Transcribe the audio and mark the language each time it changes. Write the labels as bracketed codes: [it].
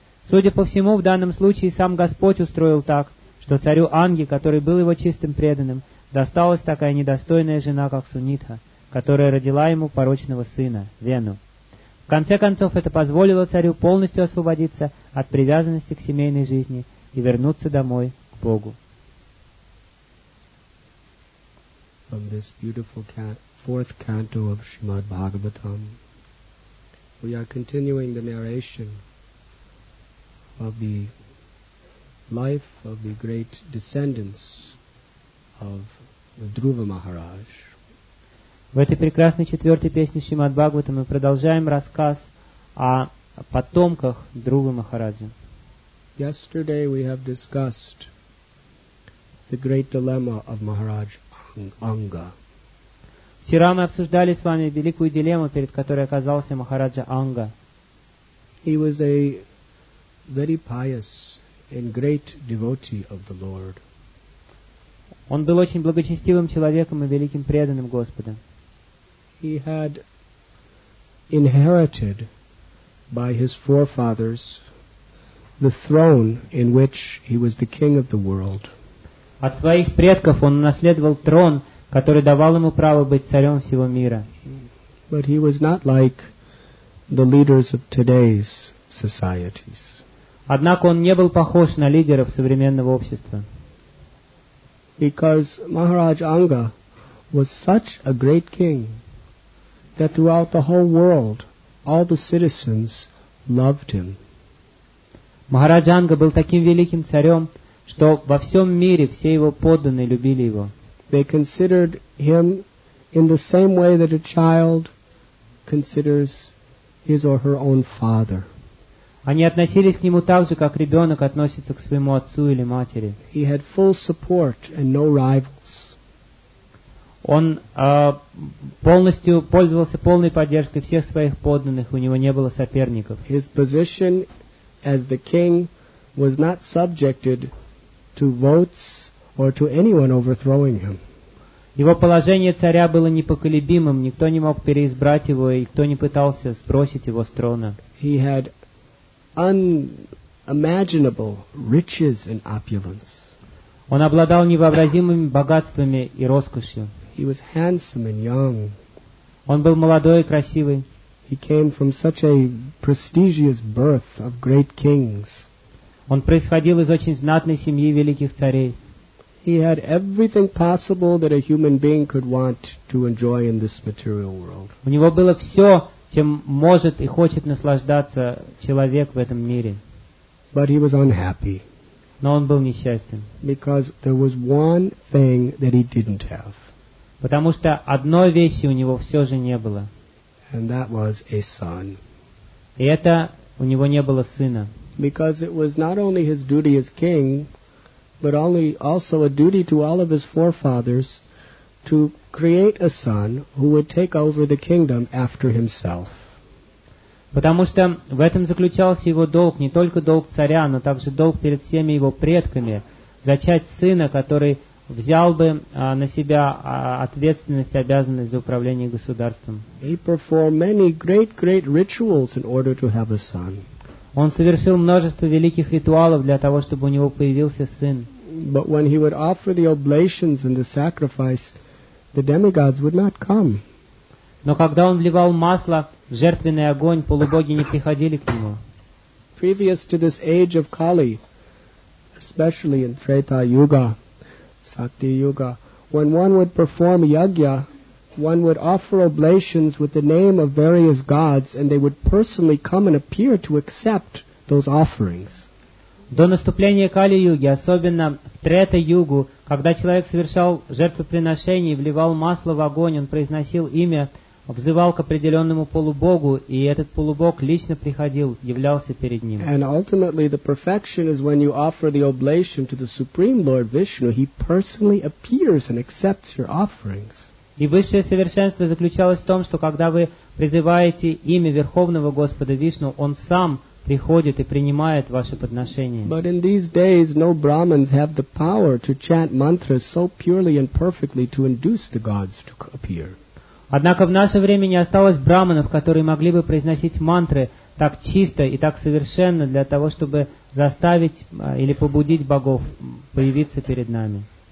[ru] Судя по всему, в данном случае сам Господь устроил так, что царю Анги, который был его чистым преданным, досталась такая недостойная жена, как Сунитха, которая родила ему порочного сына, Вену. В конце концов, это позволило царю полностью освободиться от привязанности к семейной жизни и вернуться домой к Богу. [en] From this beautiful fourth canto of Srimad Bhagavatam, we are continuing the narration of the life of the great descendants of the Dhruva Maharaj. [ru] В этой прекрасной четвертой песне Шримад Бхагаватам мы продолжаем рассказ о потомках Друвы Махараджи. [en] Yesterday we have discussed the great dilemma of Maharaj Anga. [ru] Вчера мы обсуждали с вами великую дилемму, перед которой оказался Махараджа Анга. [en] He was a very pious and great devotee of the Lord. [ru] Он был очень благочестивым человеком и великим преданным Господа. [en] He had inherited by his forefathers the throne in which he was the king of the world. [ru] От своих предков он унаследовал трон, который давал ему право быть царем всего мира. [en] But he was not like the leaders of today's societies. [ru] Однако он не был похож на лидеров современного общества. [en] Because Maharaj Anga was such a great king that throughout the whole world, all the citizens loved him. [ru] Maharaj Anga был таким великим царем, что во всем мире все его подданные любили его. [en] They considered him in the same way that a child considers his or her own father. [ru] Они относились к нему так же, как ребенок относится к своему отцу или матери. [en] He had full support and no rivals. [ru] Он полностью пользовался полной поддержкой всех своих подданных, у него не было соперников. [en] His position as the king was not subjected to votes or to anyone overthrowing him. [ru] Его положение царя было непоколебимым, никто не мог переизбрать его, и кто не пытался сбросить его с трона. [en] He had unimaginable riches and opulence. [ru] Он обладал невообразимыми богатствами и роскошью. [en] He was handsome and young. [ru] Он был молодой и красивый. [en] He came from such a prestigious birth of great kings. [ru] Он происходил из очень знатной семьи великих царей. [en] He had everything possible that a human being could want to enjoy in this material world. [ru] У него было все, чем может и хочет наслаждаться человек в этом мире. [en] But he was unhappy. [ru] Но он был несчастен. [en] Because there was one thing that he didn't have. [ru] Потому что одной вещи у него все же не было. [en] And that was a son. [ru] И это у него не было сына. [en] Because it was not only his duty as king, but also a duty to all of his forefathers to create a son who would take over the kingdom after himself. [ru] Потому что в этом заключался его долг, не только долг царя, но также долг перед всеми его предками, зачать сына, который взял бы на себя ответственность и обязанность за управление государством. [en] He performed many great rituals in order to have a son. [ru] Он совершил множество великих ритуалов для того, чтобы у него появился сын. [en] But when he would offer the oblations and the sacrifice, the demigods would not come. [ru] Но когда он вливал масло в жертвенный огонь, полубоги не приходили к нему. [en] Previous to this age of Kali, especially in Treta Yuga, Sakti Yuga, when one would perform yagya, one would offer oblations with the name of various gods, and they would personally come and appear to accept those offerings. [ru] До наступления Кали-юги, особенно в Трета-югу, когда человек совершал жертвоприношение и вливал масло в огонь, он произносил имя, взывал к определенному полубогу, и этот полубог лично приходил, являлся перед ним. [en] And ultimately the perfection is when you offer the oblation to the Supreme Lord Vishnu, he personally appears and accepts your offerings. [ru] И высшее совершенство заключалось в том, что когда вы призываете имя Верховного Господа Вишну, он сам приходит и принимает ваше подношение. [en] But in these days, no Brahmins have the power to chant mantras so purely and perfectly to induce the gods to appear. [ru] Однако в наше время не осталось браманов, которые могли бы произносить мантры так чисто и так совершенно для того, чтобы заставить или побудить богов появиться перед нами.